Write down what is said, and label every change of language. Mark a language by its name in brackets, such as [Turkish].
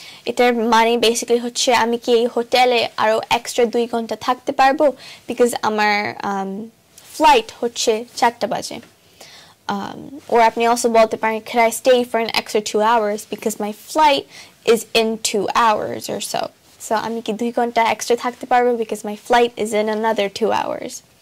[Bangla] এটার মানে বেসিক্যালি হচ্ছে আমি কি এই হোটেলে আরও এক্সট্রা 2 ঘন্টা থাকতে পারবো [English] because [Bangla] আমার ফ্লাইট হচ্ছে 4টা বাজে। ওর আপনি অলসো বলতে পারেন, [English] could I stay for an extra 2 hours because my flight is in 2 hours or so. So [Bangla] আমি কি 2 ঘন্টা এক্সট্রা থাকতে পারবো [English] Because my flight is in another 2 hours.